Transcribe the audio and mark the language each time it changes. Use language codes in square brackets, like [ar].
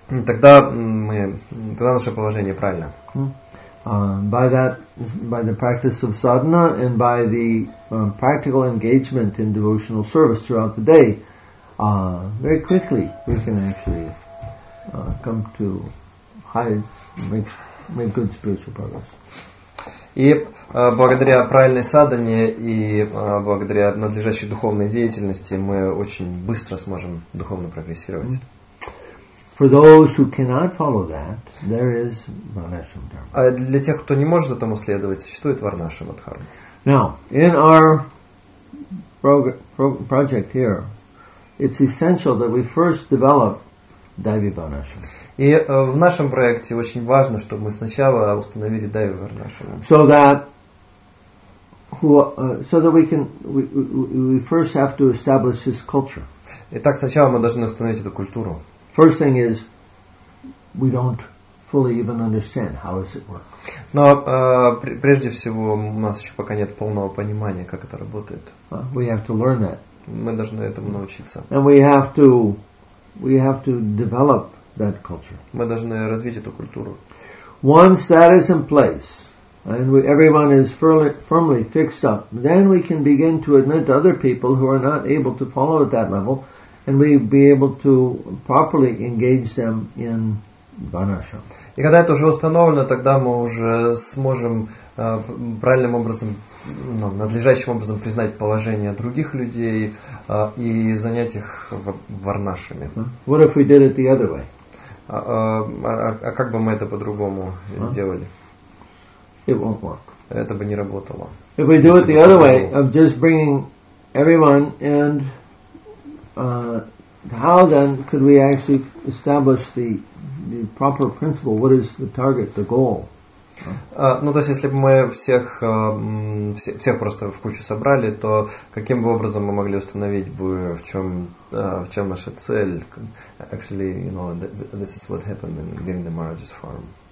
[ru] Тогда наше положение правильно. [en] By the practice of sadhana and by the practical engagement in devotional service throughout the day, very quickly we can actually come to make good spiritual progress. [ru] И благодаря правильной садхане и благодаря надлежащей духовной деятельности мы очень быстро сможем духовно прогрессировать. Mm-hmm. [en] For those who cannot follow that, there is Варнашрама Дхарма. [ru] А для тех, кто не может этому следовать, существует Варнашрама Дхарма. [en] Now, in our project here, it's essential that we first develop Дайви Ван Ашрама. [ru] И в нашем проекте очень важно, чтобы мы сначала установили Дайви Ван Ашрама. [en] So that we first have to establish this culture. [ru] Итак, сначала мы должны установить эту культуру. [en] First thing is, we don't fully even understand how does it work. [ru] Но прежде всего у нас еще пока нет полного понимания, как это работает. [en] We have to learn that. [ru] Мы должны этому научиться. [en] And we have to develop that culture. [ru] Мы должны развить эту культуру. [en] Once that is in place, and everyone is firmly fixed up, then we can begin to admit other people who are not able to follow at that level. And we be able to properly engage them in Варнашрама. [ru] И когда это уже установлено, тогда мы уже сможем правильным образом, надлежащим образом признать положение других людей и занять их Варнашрами. [en] What if we did it the other way? [ru] А как бы мы это по-другому делали? [en] It won't work. [ru] Это бы не работало. [en] If we do it the other way, of just bringing everyone and how then could we actually establish the proper principle? What is the target, the goal? [ru] Ну то есть если бы мы всех просто в кучу собрали, то каким бы образом мы могли установить бы в чем наша цель? [en] Actually, this is what happened in giving the marriages form.